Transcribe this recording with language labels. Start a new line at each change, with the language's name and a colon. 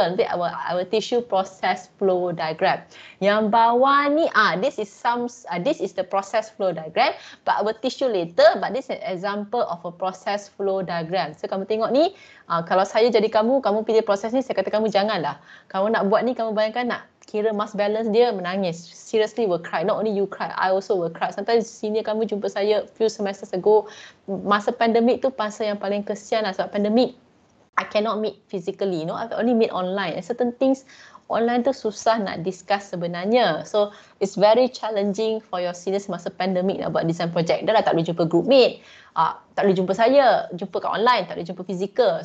Malay: Nanti
English: I will teach you process flow diagram.
Malay: Yang bawah ni,
English: this is the process process flow diagram. But I will teach you later. But this is an example of a process flow diagram.
Malay: So kamu tengok ni, kalau saya jadi kamu, kamu pilih proses ni, saya kata kamu janganlah. Kamu nak buat ni, kamu bayangkan nak kira mass balance dia, menangis.
English: Seriously will cry. Not only you cry, I also will cry. Sometimes senior
Malay: kamu jumpa saya
English: few semesters ago,
Malay: masa pandemik tu masa yang paling kesian lah. Sebab pandemik,
English: I cannot meet physically, you know, I only meet online. And certain things online
Malay: tu susah nak
English: discuss
Malay: sebenarnya.
English: So it's very challenging for your seniors
Malay: masa pandemic nak buat
English: design project.
Malay: Dah lah tak boleh jumpa group mate, tak boleh jumpa saya, jumpa kat online, tak boleh jumpa physical.